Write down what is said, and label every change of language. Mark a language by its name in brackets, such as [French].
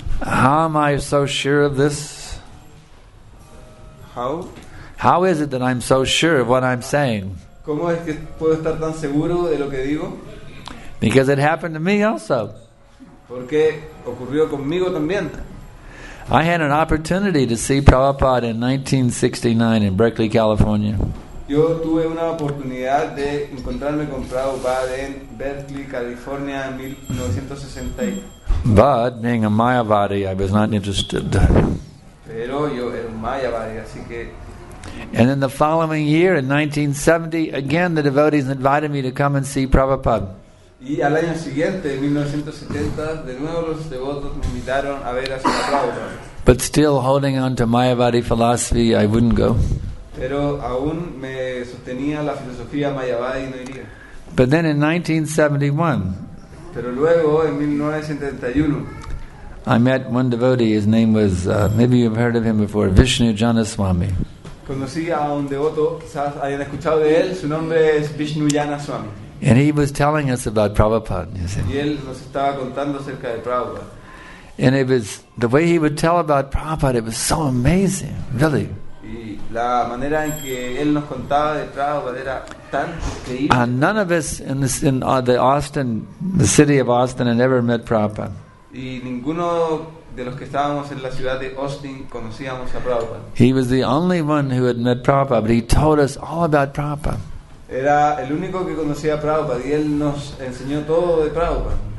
[English] How am I so sure of this? How? How is it that I'm so sure of what I'm saying? [Spanish] ¿Cómo es que puedo estar tan seguro de lo que digo? [English] Because it happened to me also. [Spanish] Porque ocurrió conmigo también. [English] I had an opportunity to see Prabhupada in 1969 in Berkeley, California. [Spanish] Yo tuve una oportunidad de encontrarme con Prabhupada en Berkeley, California, en 1960. [English] But being a Mayavadi, I was not interested. [Spanish] Pero yo era un Mayavadi, así que. [English] And then the following year, in 1970, again the devotees invited me to come and see Prabhupada. [Spanish] Y al año siguiente, en 1970, de nuevo los devotos me invitaron a ver a Sri Prabhupada. [English] But still holding on to Mayavadi philosophy, I wouldn't go. [Spanish] Pero aún me sostenía la filosofía mayavadi, no iría. [English] But then in 1971. [Spanish] Pero luego en 1971. [English] I met one devotee. His name was maybe you've heard of him before, Vishnu Janaswamy. [Spanish] Conocí a un devoto, quizás hayan escuchado de él. Su nombre es Vishnu Janaswamy. [English] And he was telling us about Prabhupada. You see. [Spanish] Y él nos estaba contando acerca de Prabhupada. [English] And it was the way he would tell about Prabhupada. It was so amazing, really. [Spanish] La manera en que él nos contaba de Prabhupada era tan increíble. [English] None of us in the city of Austin had ever met Prabhupada. [Spanish] Y ninguno de los que estábamos en la ciudad de Austin conocíamos a Prabhupada. [English] He was the only one who had met Prabhupada, but he told us all about Prabhupada. [Spanish] Era el único que conocía a Prabhupada y él nos enseñó todo de Prabhupada.